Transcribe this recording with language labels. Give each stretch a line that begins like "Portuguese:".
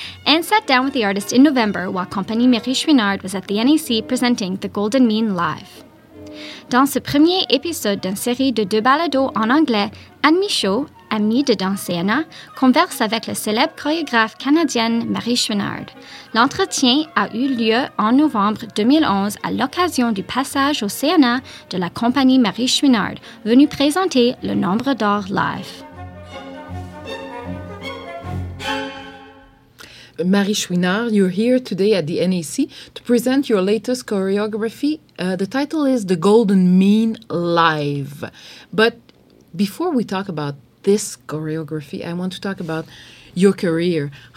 English: Anne sat down with the artist in November while Compagnie Marie Chouinard was at the NEC presenting The Golden Mean live.
French: Dans ce premier épisode d'une série de deux balados en anglais, Anne Michaud, amie de Danséana, converse avec la célèbre chorégraphe canadienne Marie Chouinard. L'entretien a eu lieu en novembre 2011 à l'occasion du passage au Séana de la compagnie Marie Chouinard, venue présenter le Nombre d'or live.
English: Marie Chouinard, you're here today at the NEC to present your latest choreography. The title is The Golden Mean Live. But before we talk about this choreography, I want to talk about your career.